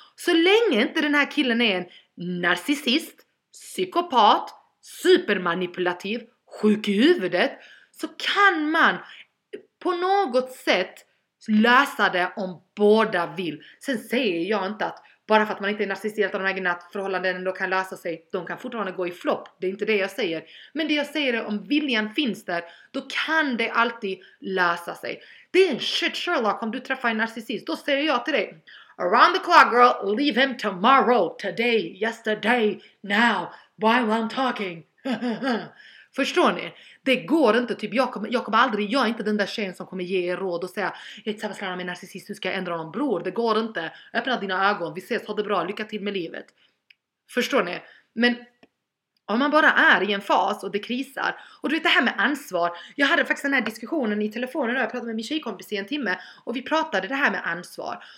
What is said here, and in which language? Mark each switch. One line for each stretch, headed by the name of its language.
Swedish: Så länge inte den här killen är en narcissist, psykopat, supermanipulativ, sjuk i huvudet, så kan man på något sätt lösa det om båda vill. Sen säger jag inte att bara för att man inte är narcissist av de egna förhållanden då kan lösa sig, de kan fortfarande gå i flopp. Det är inte det jag säger. Men det jag säger är, om viljan finns där, då kan det alltid lösa sig. Det är en shit Sherlock om du träffar en narcissist. Då säger jag till dig,
English: around the clock girl, leave him tomorrow, today, yesterday, now, while I'm talking.
Swedish: Förstår ni? Det går inte, typ jag kommer aldrig, jag är inte den där tjejen som kommer ge er råd och säga, jag är tillsammans med en narcissist, hur ska jag ändra någon, bror? Det går inte. Öppna dina ögon, vi ses, ha det bra, lycka till med livet. Förstår ni? Men om man bara är i en fas och det krisar, och du vet det här med ansvar, jag hade faktiskt den här diskussionen i telefonen och jag pratade med min tjejkompis i en timme och vi pratade det här med ansvar.